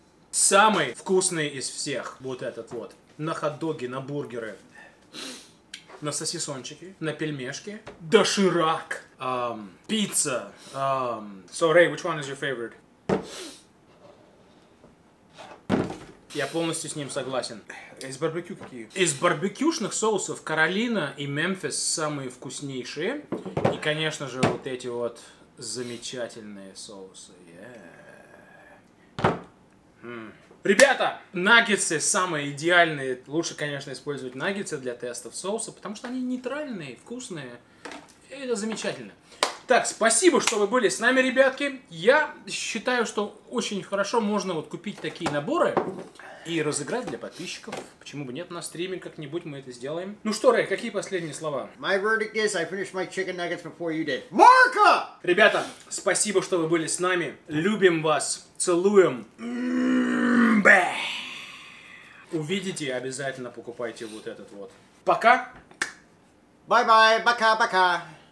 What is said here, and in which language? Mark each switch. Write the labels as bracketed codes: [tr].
[ru] Самый вкусный из всех вот этот вот. На хот-доги, на бургеры. На сосисончики, на пельмешки, доширак, пицца. [en] So, Ray, which one is your favorite? [ru] Я полностью с ним согласен. Из барбекю какие? Из барбекюшных соусов Каролина и Мемфис самые вкуснейшие. И, конечно же, вот эти вот замечательные соусы. [en] Yeah. [ru] Ребята, наггетсы самые идеальные. Лучше, конечно, использовать наггетсы для тестов соуса, потому что они нейтральные, вкусные. И это замечательно. Так, спасибо, что вы были с нами, ребятки. Я считаю, что очень хорошо можно вот купить такие наборы и разыграть для подписчиков. Почему бы нет, на стриме как-нибудь мы это сделаем. Ну что, Рэй, какие последние слова? [en] My verdict is I finished my chicken nuggets before you did. [ru] Марка! Ребята, спасибо, что вы были с нами. Любим вас. Целуем. Увидите, обязательно покупайте вот этот вот. Пока! [en] Bye-bye, [ru] пока-пока!